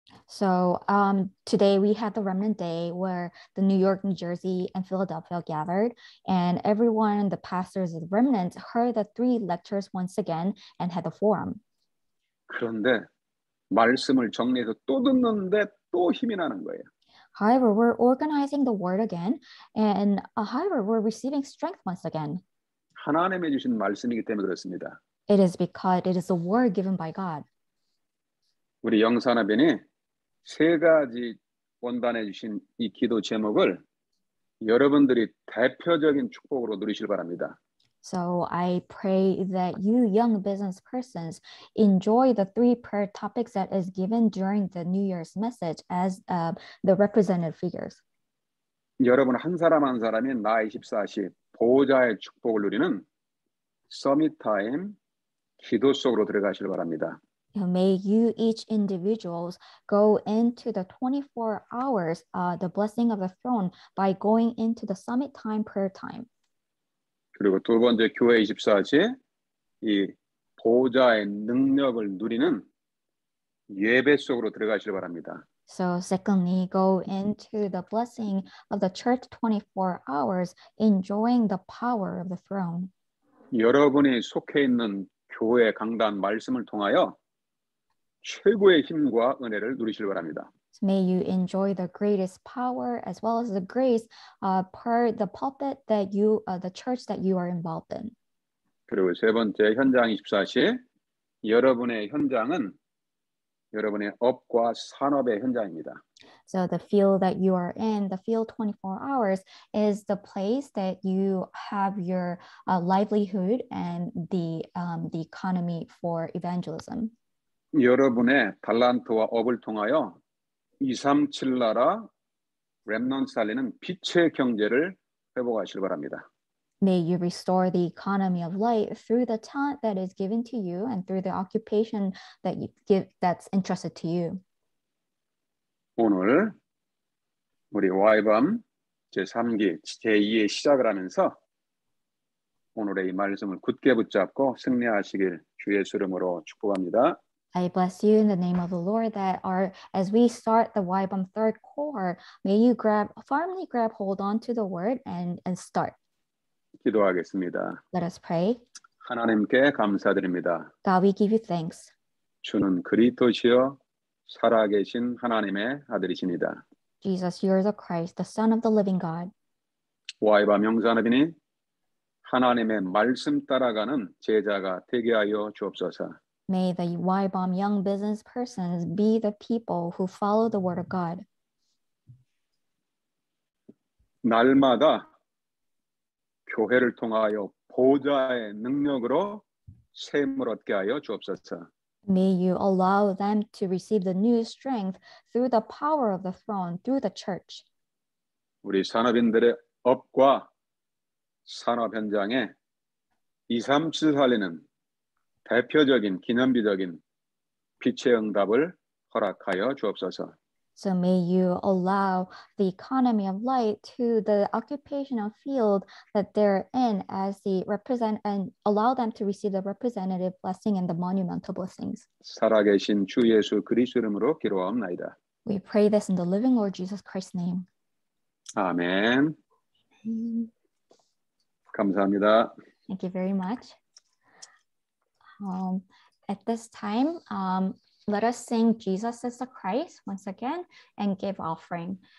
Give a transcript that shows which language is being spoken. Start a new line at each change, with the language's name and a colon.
English: So today we had the Remnant Day where the New York, New Jersey, and Philadelphia gathered, and everyone, the pastors of the Remnant, heard the three lectures once again and had the forum.
Korean: 그런데 말씀을 정리해서 또 듣는데 또 힘이 나는 거예요.
English: However, we're organizing the word again, and however, we're receiving strength once again.
Korean: 하나님이 주신 말씀이기 때문에 그렇습니다.
English: It is because it is the word given by God.
Korean: 우리 영산아빈이 세 가지 원단해 주신 이 기도 제목을 여러분들이 대표적인 축복으로 누리시길 바랍니다.
English: So I pray that you young business persons enjoy the three prayer topics that is given during the New Year's message as the representative figures.
Korean: 여러분 한 사람 한 사람이 나 24시 보호자의 축복을 누리는 서밋 타임 기도 속으로 들어가시길 바랍니다.
English: May you each individuals go into the 24 hours, the blessing of the throne, by going into the summit time prayer time.
Korean: 그리고 두 번째 교회 24시 이 보좌의 능력을 누리는 예배 속으로 들어가시길 바랍니다.
English: So secondly, go into the blessing of the church 24 hours, enjoying the power of the throne.
Korean: 여러분이 속해 있는 교회 강단 말씀을 통하여 최고의 힘과 은혜를 누리시길 바랍니다.
English: May you enjoy the greatest power as well as the grace per the pulpit that you, the church that you are involved in.
Korean: 그리고 세 번째 현장 24시 여러분의 현장은 여러분의 업과 산업의 현장입니다.
English: So the field that you are in, the field 24 hours is the place that you have your livelihood and the economy for evangelism.
Korean: 여러분의 달란트와 업을 통하여 237 나라 렘넌트 살리는 빛의 경제를 회복하시길 바랍니다.
English: May you restore the economy of light through the talent that is given to you and through the occupation that you give that's entrusted to you.
Korean: 오늘 우리 YBAWM 제3기 제2의 시작을 하면서 오늘의 이 말씀을 굳게 붙잡고 승리하시길 주 예수 이름으로 축복합니다.
English: I bless you in the name of the Lord that our as we start the YBAWM third core, may you firmly grab hold on to the word and start.
Korean: 기도하겠습니다.
English: Let us pray.
Korean: 하나님께 감사드립니다.
English: God, we give you thanks.
Korean: 주는 그리스도시요 살아계신 하나님의 아들이십니다.
English: Jesus, you are the Christ, the Son of the Living God.
Korean: YBAWM 형제자매들이 하나님의 말씀 따라가는 제자가 되게 하여 주옵소서.
English: May the YBAWM young business persons be the people who follow the word of God.
Korean: 날마다 교회를 통하여 보좌의 능력으로 세임을 얻게 하여 주옵소서.
English: May you allow them to receive the new strength through the power of the throne, through the church.
Korean: 우리 산업인들의 업과 산업 현장에 237 살리는 대표적인 기념비적인 빛의 응답을 허락하여 주옵소서.
English: So may you allow the economy of light to the occupational field that they're in as the represent and allow them to receive the representative blessing and the monumental blessings.
Korean: 살아계신 주 예수 그리스도 이름으로 기도하옵나이다.
English: We pray this in the living Lord Jesus Christ's name.
Korean: 아멘. 감사합니다.
English: Thank you very much. At this time, let us sing Jesus is the Christ once again and give offering.